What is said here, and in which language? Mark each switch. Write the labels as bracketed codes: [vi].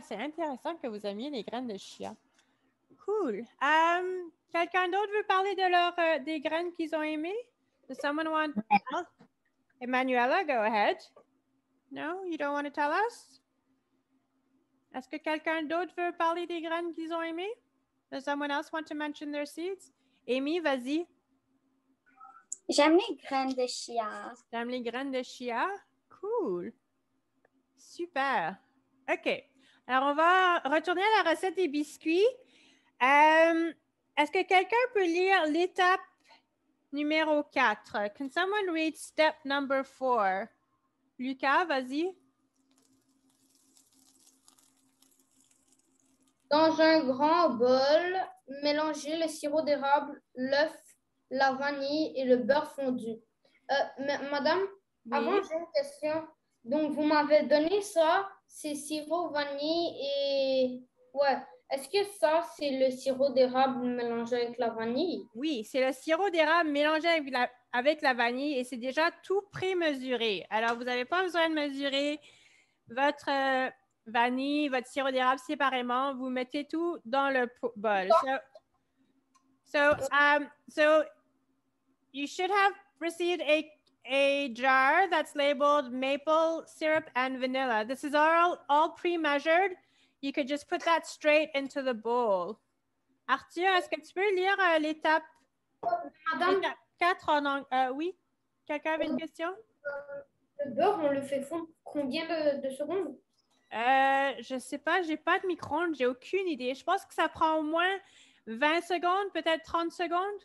[fr] C'est intéressant que vous aimiez les graines de chia. Cool. Quelqu'un d'autre veut parler de des graines qu'ils ont aimées? [en] Does someone want to tell? Emanuela, go ahead. No, you don't want to tell us? [fr] Est-ce que quelqu'un d'autre veut parler des graines qu'ils ont aimées? [en] Does someone else want to mention their seeds? [fr] Amy, vas-y. J'aime les graines de chia. J'aime les graines de chia. Cool. Super. OK. Alors, on va retourner à la recette des biscuits. Est-ce que quelqu'un peut lire l'étape numéro 4? [en] Can someone read step number 4? Lucas, [fr] vas-y. Dans un grand bol, mélangez le sirop d'érable, l'œuf, la vanille et le beurre fondu. Madame, oui. Avant j'ai une question. Donc, vous m'avez donné ça, c'est sirop, vanille et... Ouais. Est-ce que ça, c'est le sirop d'érable mélangé avec la vanille? Oui, c'est le sirop d'érable mélangé avec la vanille et c'est déjà tout pré-mesuré. Alors, vous n'avez pas besoin de mesurer votre vanille, votre sirop d'érable séparément. Vous mettez tout dans le bol. [en] So you should have received a jar that's labeled maple syrup and vanilla. This is all pre-measured. You could just put that straight into the bowl. [fr] Arthur, est-ce que tu peux lire l'étape 4 en anglais? Oui? Quelqu'un avait une question? Le beurre, on le fait fondre combien de secondes? Je ne sais pas, je n'ai pas de micro-ondes, j'ai aucune idée. Je pense que ça prend au moins 20 secondes, peut-être 30 secondes.